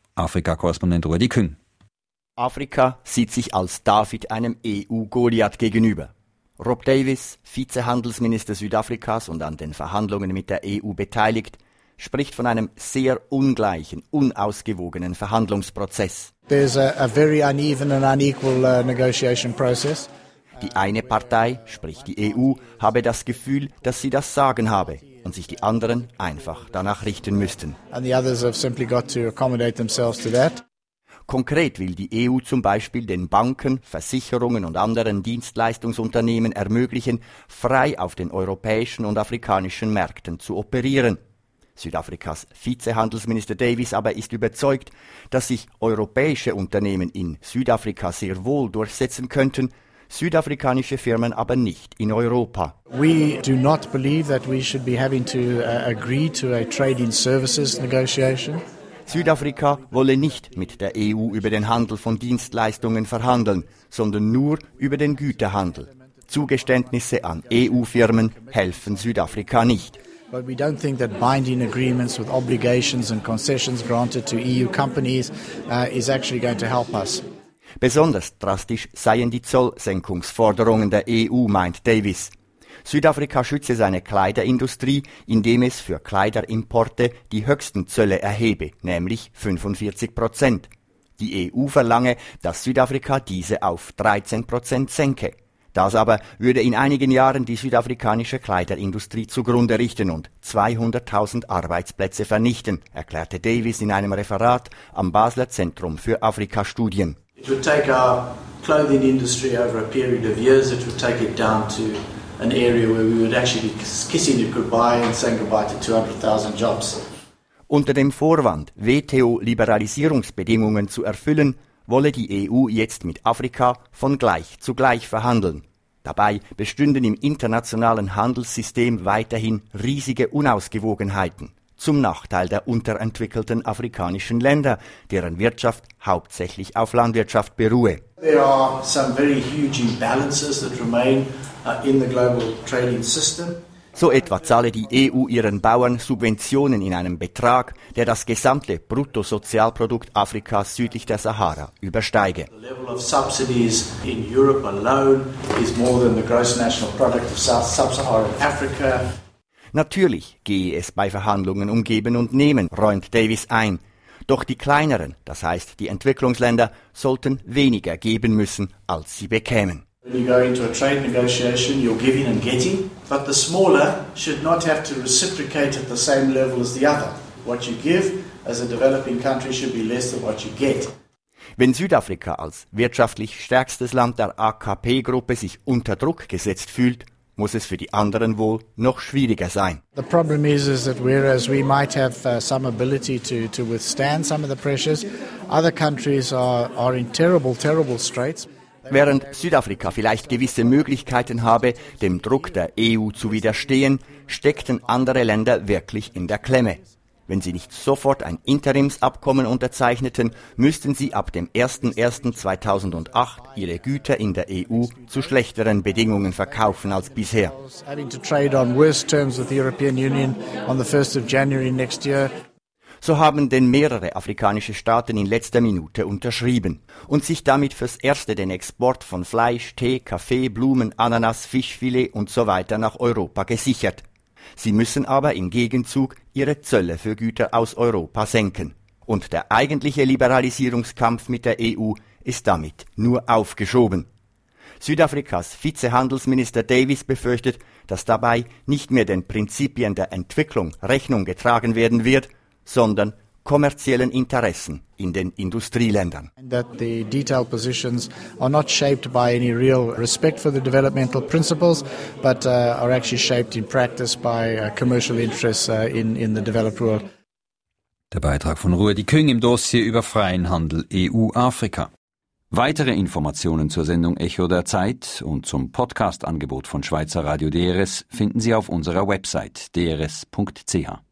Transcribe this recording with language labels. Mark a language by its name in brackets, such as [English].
[German] Afrika-Korrespondent Rudi Küng. Afrika sieht sich als David einem EU-Goliath gegenüber. Rob Davis, Vizehandelsminister Südafrikas und an den Verhandlungen mit der EU beteiligt, spricht von einem sehr ungleichen, unausgewogenen Verhandlungsprozess. [English] There's a very uneven and unequal negotiation process. [German] Die eine Partei, sprich die EU, habe das Gefühl, dass sie das Sagen habe und sich die anderen einfach danach richten müssten. [English] And the others have simply got to accommodate themselves to that. [German] Konkret will die EU zum Beispiel den Banken, Versicherungen und anderen Dienstleistungsunternehmen ermöglichen, frei auf den europäischen und afrikanischen Märkten zu operieren. Südafrikas Vizehandelsminister Davis aber ist überzeugt, dass sich europäische Unternehmen in Südafrika sehr wohl durchsetzen könnten, südafrikanische Firmen aber nicht in Europa. [English] We do not believe that we should be having to agree to a trade in services negotiation. [German] Südafrika wolle nicht mit der EU über den Handel von Dienstleistungen verhandeln, sondern nur über den Güterhandel. Zugeständnisse an EU-Firmen helfen Südafrika nicht. [English] But we don't think that binding agreements with obligations and concessions granted to EU companies is actually going to help us. [German] Besonders drastisch seien die Zollsenkungsforderungen der EU, meint Davis. Südafrika schütze seine Kleiderindustrie, indem es für Kleiderimporte die höchsten Zölle erhebe, nämlich 45%. Die EU verlange, dass Südafrika diese auf 13% senke. Das aber würde in einigen Jahren die südafrikanische Kleiderindustrie zugrunde richten und 200.000 Arbeitsplätze vernichten, erklärte Davis in einem Referat am Basler Zentrum für Afrikastudien. [English] It would take our clothing industry over a period of years, it would take it down to an area where we would actually be kissing it goodbye and saying goodbye to 200.000 jobs. [German] Unter dem Vorwand, WTO-Liberalisierungsbedingungen zu erfüllen, wolle die EU jetzt mit Afrika von gleich zu gleich verhandeln. Dabei bestünden im internationalen Handelssystem weiterhin riesige Unausgewogenheiten, zum Nachteil der unterentwickelten afrikanischen Länder, deren Wirtschaft hauptsächlich auf Landwirtschaft beruhe. [English] There are some very huge imbalances that remain in the global trading system. [German] So etwa zahle die EU ihren Bauern Subventionen in einem Betrag, der das gesamte Bruttosozialprodukt Afrikas südlich der Sahara übersteige. [English] The level of subsidies in Europe alone is more than the gross national product of sub-Saharan Africa. [German] Natürlich gehe es bei Verhandlungen um Geben und Nehmen, räumt Davis ein. Doch die kleineren, das heißt die Entwicklungsländer, sollten weniger geben müssen, als sie bekämen. [English] When you go into a trade negotiation, you're giving and getting, but the smaller should not have to reciprocate at the same level as the other. What you give as a developing country should be less than what you get. [German] Wenn Südafrika als wirtschaftlich stärkstes Land der AKP-Gruppe sich unter Druck gesetzt fühlt, muss es für die anderen wohl noch schwieriger sein. [English] The problem is that whereas we might have some ability to withstand some of the pressures, other countries are in terrible straits. [German] Während Südafrika vielleicht gewisse Möglichkeiten habe, dem Druck der EU zu widerstehen, steckten andere Länder wirklich in der Klemme. Wenn sie nicht sofort ein Interimsabkommen unterzeichneten, müssten sie ab dem 01.01.2008 ihre Güter in der EU zu schlechteren Bedingungen verkaufen als bisher. So haben denn mehrere afrikanische Staaten in letzter Minute unterschrieben und sich damit fürs Erste den Export von Fleisch, Tee, Kaffee, Blumen, Ananas, Fischfilet und so weiter nach Europa gesichert. Sie müssen aber im Gegenzug ihre Zölle für Güter aus Europa senken. Und der eigentliche Liberalisierungskampf mit der EU ist damit nur aufgeschoben. Südafrikas Vizehandelsminister Davis befürchtet, dass dabei nicht mehr den Prinzipien der Entwicklung Rechnung getragen werden wird, sondern kommerziellen Interessen in den Industrieländern. [English] That the detailed positions are not shaped by any real respect for the developmental principles, but are actually shaped in practice by commercial interests in the developed world. [German] Der Beitrag von Rudi Küng im Dossier über freien Handel EU-Afrika. Weitere Informationen zur Sendung Echo der Zeit und zum Podcast-Angebot von Schweizer Radio DRS finden Sie auf unserer Website drs.ch.